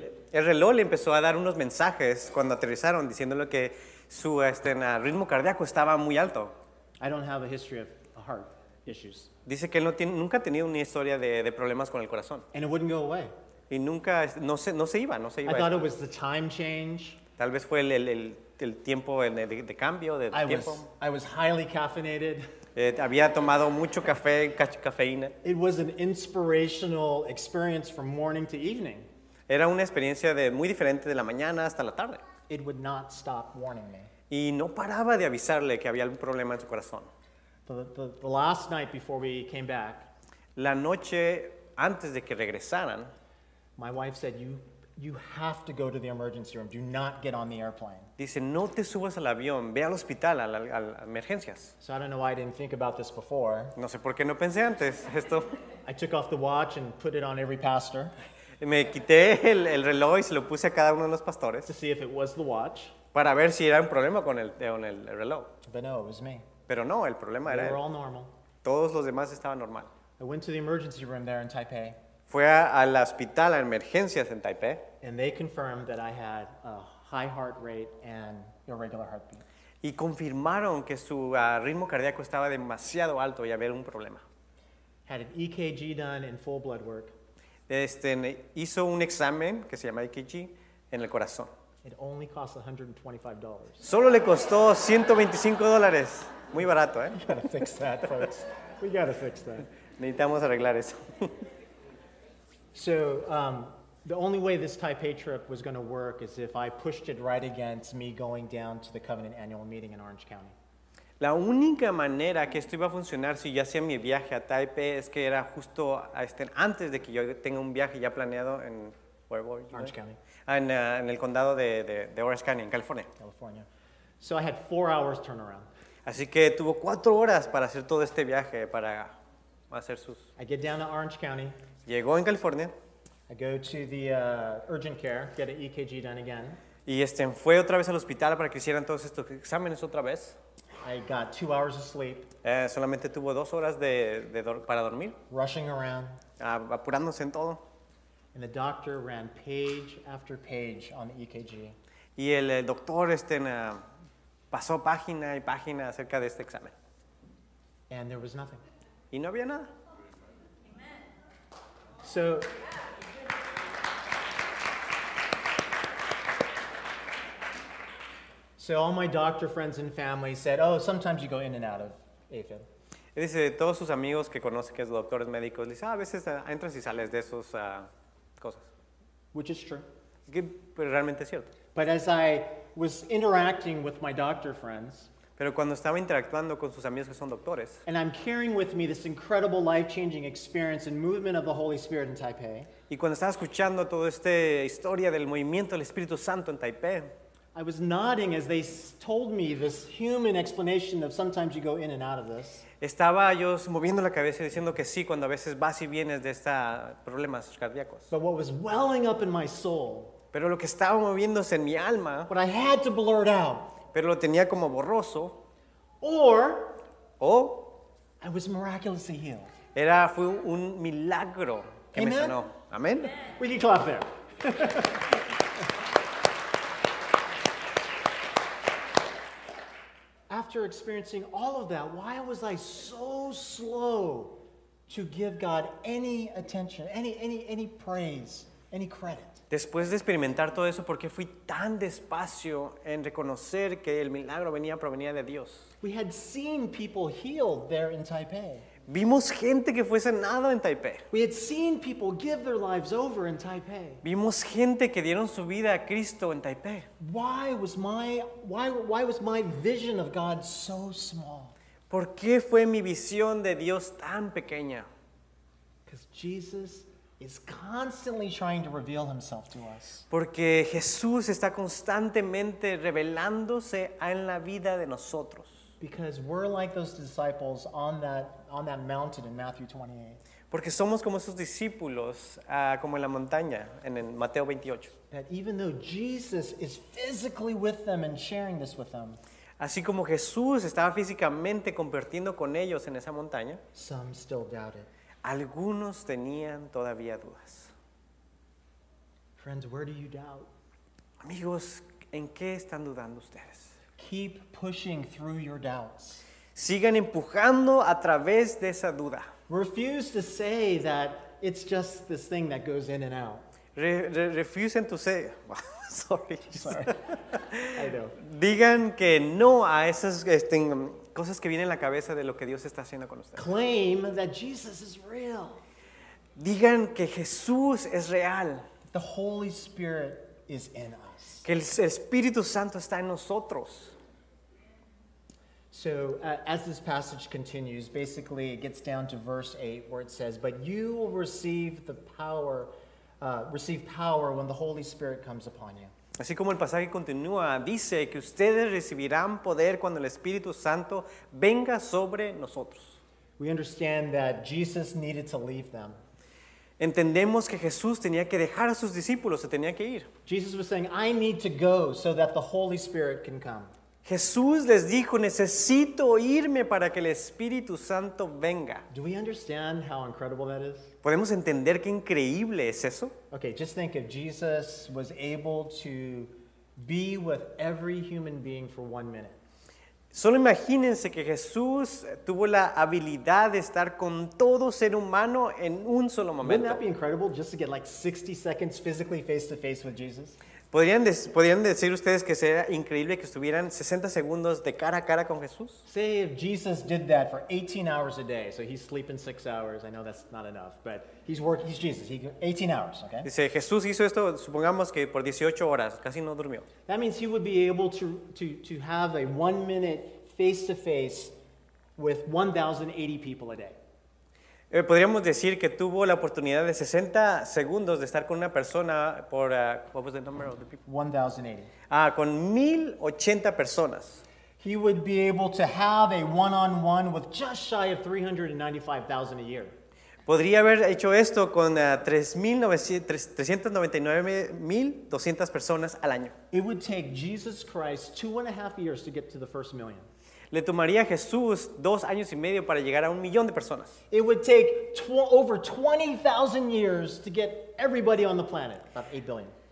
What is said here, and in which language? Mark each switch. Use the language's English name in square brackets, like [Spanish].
[Spanish] El reloj le empezó a dar unos mensajes cuando aterrizaron, diciéndole que su ritmo cardíaco estaba muy alto. [English] I don't have a history of heart issues. [Spanish] Dice que él nunca ha tenido una historia de problemas con el corazón. [English] And it wouldn't go away. [Spanish] Y nunca, no se iba. [English] I thought it was the time change. [Spanish] Tal vez fue el tiempo de cambio, de tiempo. [English] I was highly caffeinated. [Spanish] Había tomado mucho café, cafeína. [English] It was an inspirational experience from morning to evening. [Spanish] Era una experiencia muy diferente de la mañana hasta la tarde. [English] It would not stop warning me. [Spanish] Y no paraba de avisarle que había algún problema en su corazón. [English] The last night before we came back, [Spanish] la noche antes de que regresaran, [English] my wife said, you have to go to the emergency room. Do not get on the airplane. [Spanish] Dice, no te subas al avión. Ve al hospital, a emergencias. [English] So I don't know why I didn't think about this before. [Spanish] No sé por qué no pensé antes esto. [English] I took off the watch and put it on every pastor. [Spanish] Me quité el reloj y se lo puse a cada uno de los pastores. [English] To see if it was the watch. [Spanish] Para ver si era un problema con el reloj. [English] But no, it was me. [Spanish] Pero no, el problema era él. [English] We were all normal. [Spanish] Todos los demás estaban normal. [English] I went to the emergency room there in Taipei. [Spanish] Fue al hospital, a emergencias en Taipei. [English] And they confirmed that I had a high heart rate and irregular heartbeat. [Spanish] Y confirmaron que su ritmo cardíaco estaba demasiado alto y había un problema. [English] Had an EKG done and full blood work. [Spanish] Hizo un examen que se llama EKG en el corazón. [English] It only cost $125. [Spanish] Solo le costó $125. Muy barato, ¿eh? [English] We gotta fix that, folks. We gotta fix that. [Spanish] Necesitamos arreglar eso. [English] So the only way this Taipei trip was going to work is if I pushed it right against me going down to the Covenant annual meeting in Orange County. [Spanish] La única manera que esto iba a funcionar si ya hacía mi viaje a Taipei es que era justo antes de que yo tenga un viaje ya planeado en Orange County. En el condado de Orange County, en California. California. [English] So I had 4 hours turnaround. [Spanish] Así que tuvo 4 horas para hacer todo este viaje para hacer sus. [English] I get down to Orange County. [Spanish] Llegó en California. [English] I go to the urgent care, get an EKG done again. [Spanish] Y fue otra vez al hospital para que hicieran todos estos exámenes otra vez. [English] I got 2 hours of sleep. [Spanish] Solamente tuvo 2 horas para dormir. [English] Rushing around. [Spanish] Apurándose en todo. [English] And the doctor ran page after page on the EKG. [Spanish] Y el doctor pasó página y página acerca de este examen. [English] And there was nothing. [Spanish] Y no había nada. [English] So, all my doctor friends and family said, "Oh, sometimes you go in and out of AFib." [Spanish] Dice todos sus amigos que conoce que es doctores médicos dice, "A veces entras y sales de esos cosas." [English] Which is true. [Spanish] Es que realmente es cierto. [English] But as I was interacting with my doctor friends. [Spanish] Pero cuando estaba interactuando con sus amigos que son doctores. [English] And I'm carrying with me this incredible life-changing experience and movement of the Holy Spirit in Taipei. [Spanish] Y cuando estaba escuchando toda esta historia del movimiento del Espíritu Santo en Taipei. [English] I was nodding as they told me this human explanation of sometimes you go in and out of this. [Spanish] Estaba yo moviendo la cabeza diciendo que sí cuando a veces vas y vienes de estos problemas cardíacos. [English] But what was welling up in my soul? [Spanish] Pero lo que estaba moviéndose en mi alma. [English] What I had to blurt out. [Spanish] Pero lo tenía como borroso. [English] Or. Oh. I was miraculously healed. [Spanish] Era fue un milagro que [English] Amen? [Spanish] Me sanó. Amen. [English] We can clap there. After experiencing all of that, why was I so slow to give God any attention, any praise, any credit? [Spanish] Después de experimentar todo eso, ¿por qué fui tan despacio en reconocer que el milagro provenía de Dios? [English] We had seen people healed there in Taipei. [Spanish] Vimos gente que fue sanada en Taipei. [English] We had seen people give their lives over in Taipei. [Spanish] Vimos gente que dieron su vida a Cristo en Taipei. [English] Why was my vision of God so small? [Spanish] ¿Por qué fue mi visión de Dios tan pequeña? [English] Because Jesus is constantly trying to reveal himself to us. [Spanish] Porque Jesús está constantemente revelándose en la vida de nosotros. [English] Because we're like those disciples on that mountain in Matthew 28. [Spanish] Porque somos como esos discípulos como en la montaña en Mateo 28. [English] That even though Jesus is physically with them and sharing this with them. [Spanish] Así como Jesús estaba físicamente compartiendo con ellos en esa montaña. [English] Some still doubt it. [Spanish] Algunos tenían todavía dudas. [English] Friends, where do you doubt? [Spanish] Amigos, ¿en qué están dudando ustedes? [English] Keep pushing through your doubts. [Spanish] Sigan empujando a través de esa duda. [English] Refuse to say that it's just this thing that goes in and out. Refusen to say, sorry. I know. [Spanish] Digan que no a esas cosas que vienen en la cabeza de lo que Dios está haciendo con ustedes. [English] Claim that Jesus is real. [Spanish] Digan que Jesús es real. [English] The Holy Spirit is in us. [Spanish] Que el Espíritu Santo está en nosotros. [English] So, as this passage continues, basically it gets down to verse 8 where it says, but you will receive power when the Holy Spirit comes upon you. [Spanish] Así como el pasaje continúa, dice que ustedes recibirán poder cuando el Espíritu Santo venga sobre nosotros. [English] We understand that Jesus needed to leave them. [Spanish] Entendemos que Jesús tenía que dejar a sus discípulos, se tenía que ir. [English] Jesus was saying, I need to go so that the Holy Spirit can come. [Spanish] Jesús les dijo, necesito irme para que el Espíritu Santo venga. [English] Do we understand how incredible that is? [Spanish] ¿Podemos entender qué increíble es eso? [English] Okay, just think if Jesus was able to be with every human being for 1 minute. [Spanish] Solo imagínense que Jesús tuvo la habilidad de estar con todo ser humano en un solo momento. [English] Wouldn't that be incredible just to get like 60 seconds physically face to face with Jesus? [Spanish] ¿Podrían decir ustedes que sería increíble que estuvieran 60 segundos de cara a cara con Jesús? [English] Say if Jesus did that for 18 hours a day, so he's sleeping 6 hours. I know that's not enough, but he's working, he's Jesus, he 18 hours, okay? [Spanish] Dice, Jesús hizo esto, supongamos que por 18 horas, casi no durmió. [English] That means he would be able to have a 1 minute face-to-face with 1,080 people a day. [Spanish] Podríamos decir que tuvo la oportunidad de 60 segundos de estar con una persona por, [English] what was the number of the people? 1,080. [Spanish] Ah, con 1,080 personas. [English] He would be able to have a one-on-one with just shy of 395,000 a year. [Spanish] Podría haber hecho esto con 399,200 personas al año. [English] It would take Jesus Christ 2.5 years to get to the first million. [Spanish] Le tomaría a Jesús 2 años y medio para llegar a 1 millón de personas. [English] It would take over 20,000 years to get everybody on the planet, about 8 billion.